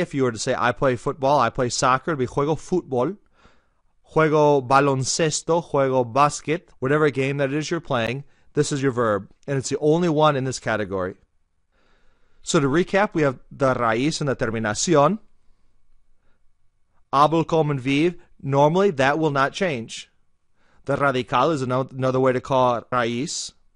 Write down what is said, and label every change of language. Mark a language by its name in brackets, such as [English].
[English] If you were to say I play football, I play soccer, it'd be [Spanish] juego fútbol. Juego baloncesto, juego básquet. [English] Whatever game that it is you're playing, this is your verb. And it's the only one in this category. So to recap, we have the raíz and the terminación. Hablo, como, and vive. Normally, that will not change. The radical is another way to call it raíz.